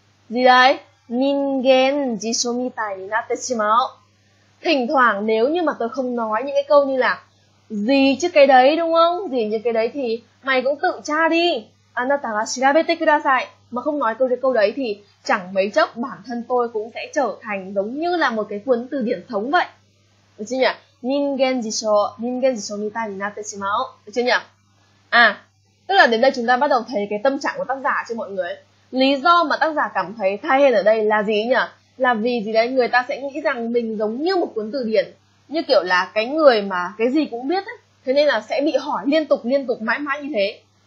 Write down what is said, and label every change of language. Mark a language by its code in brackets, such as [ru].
[vi] gì đấy, [ja] 人間辞書みたいになってしまう. [vi] Thỉnh thoảng nếu như mà tôi không nói những cái câu như là gì chứ cái đấy, đúng không, gì như cái đấy thì mày cũng tự tra đi, [ja] anata ga shirabete kudasai, [vi] mà không nói câu cái câu đấy thì chẳng mấy chốc bản thân tôi cũng sẽ trở thành giống như là một cái cuốn từ điển thống vậy, được chưa nhỉ? [ja] 人間辞書みたいになってしまう, [vi] được chưa nhỉ? Tức là đến đây chúng ta bắt đầu thấy cái tâm trạng của tác giả chứ mọi người. Lý do mà tác giả cảm thấy thai hèn ở đây là gì nhỉ? Là vì gì đấy, người ta sẽ nghĩ rằng mình giống như một cuốn từ điển, như kiểu là cái người mà cái gì cũng biết ấy, thế nên là sẽ bị hỏi liên tục mãi mãi như thế.